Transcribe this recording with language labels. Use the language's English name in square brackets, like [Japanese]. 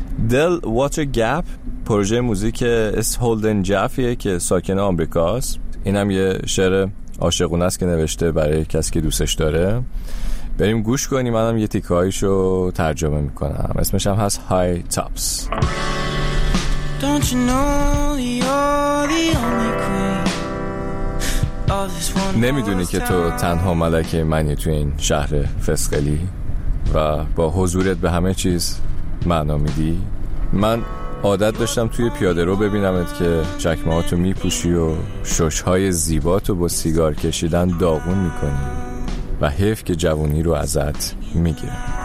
[Persian] دل واتر گپ پروژه موزیک اس هولدن جافیه که ساکن آمریکاست. اینم یه شعر عاشقونه است که نوشته برای کسی که دوستش داره. بریم گوش کنیم، منم یه تیکایشو ترجمه میکنم. اسمش هم هست های تاپس. [English] Don't you know you're the only queen. [Persian] نمیدونی که تو تنها ملک منی تو این شهر فسقلی و با حضورت به همه چیز معنا میدی. من عادت داشتم توی پیاده رو ببینمت که چکمهاتو میپوشی و ششهای زیباتو با سیگار کشیدن داغون میکنی و حیف که جوانی رو ازت میگیره.